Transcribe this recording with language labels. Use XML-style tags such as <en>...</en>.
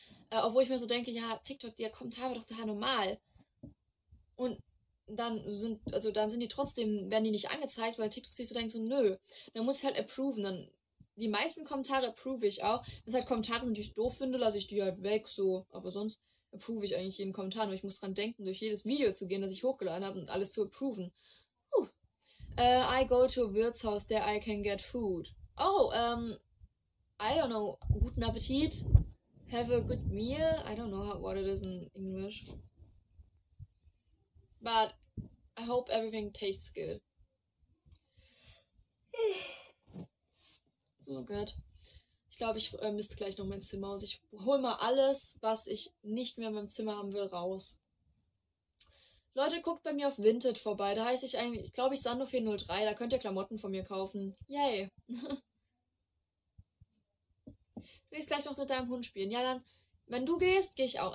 <de>Obwohl ich mir so denke, ja, TikTok, der Kommentar war doch total normal. Und dann sind die trotzdem, werden die nicht angezeigt, weil TikTok sich so denkt, so nö, dann muss ich halt approven. Dann die meisten Kommentare approve ich auch. Wenn es halt Kommentare sind, die ich doof finde, lasse ich die halt weg, so. Aber sonst... approve ich eigentlich jeden Kommentar, nur ich muss dran denken, durch jedes Video zu gehen, das ich hochgeladen habe und alles zu approven.</de> <en>I go to a Wirtshaus, there I can get food. Oh, I don't know,</en> <de>guten Appetit,</de> <en>have a good meal, I don't know what it is in English. But I hope everything tastes good.</en> <de>Oh Gott. Ich glaube, ich misste gleich noch mein Zimmer aus. Ich hole mal alles, was ich nicht mehr in meinem Zimmer haben will, raus. Leute, guckt bei mir auf Vinted vorbei. Da heiße ich eigentlich, ich glaube, ich Sando 403. Da könnt ihr Klamotten von mir kaufen. Yay. Du gehst gleich noch mit deinem Hund spielen. Ja, dann, wenn du gehst, gehe ich auch.</de>